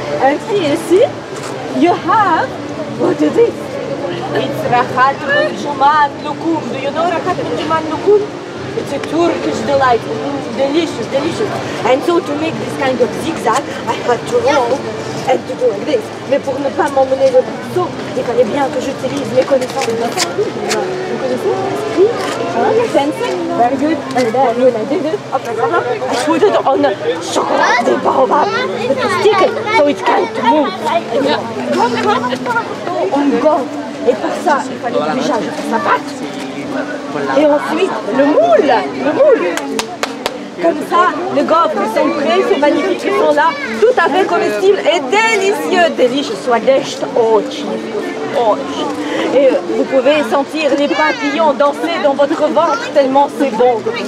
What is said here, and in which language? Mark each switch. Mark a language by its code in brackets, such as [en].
[en] And see, you see, you have, what is this? It's Rahat Bunjuman Lukum. Do you know Rahat Bunjuman Lukum? It's a Turkish delight. Delicious, delicious. And so to make this kind of zigzag, I had to roll and to go like this. [fr] Mais pour ne pas m'emmener le couteau, il fallait bien que j'utilise mes connaissances. Vous connaissez? [en] Very good. And then when I did it, I put it on the chocolate, the baobab, with the stick, so it can't move. [fr] On gomme. Et pour ça, il fallait que déjà je fasse ma pâte. Et ensuite, le moule. Comme ça, le gaufre, le sempre, ces magnifiques sont là, tout à fait comestibles et délicieux. Delicious, swadesht, ochi, ochi. Et vous pouvez sentir les papillons danser dans votre ventre, tellement c'est bon.